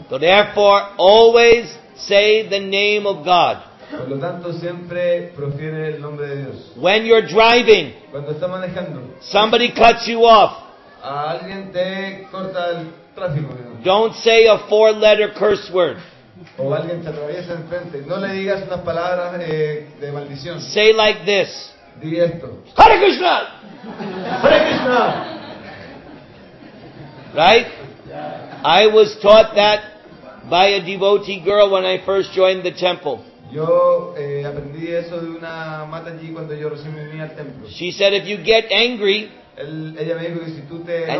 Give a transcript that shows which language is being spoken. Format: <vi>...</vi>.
<en>So therefore, always say the name of God.</en> <es>Por lo tanto, siempre profiere el nombre de Dios.</es> <en>When you're driving,</en> <es>cuando estás manejando,</es> <en>somebody cuts you off.</en> <es>A alguien te corta el tráfico, ¿no?</es> <en>Don't say a four-letter curse word.</en> <es>O alguien te atraviesa enfrente. No le digas una palabra de maldición.</es> <en>Say like this.</en> <es>Di esto.</es> <en>Hare Krishna!</en> <es>Hare Krishna!</es> <en>Right? I was taught that by a devotee girl when I first joined the temple.</en> <es>Yo aprendí eso de una mataji cuando yo recién me uní al templo.</es> <en>She said, if you get angry,</en> <es>ella me dijo que si tú te enojas,</es>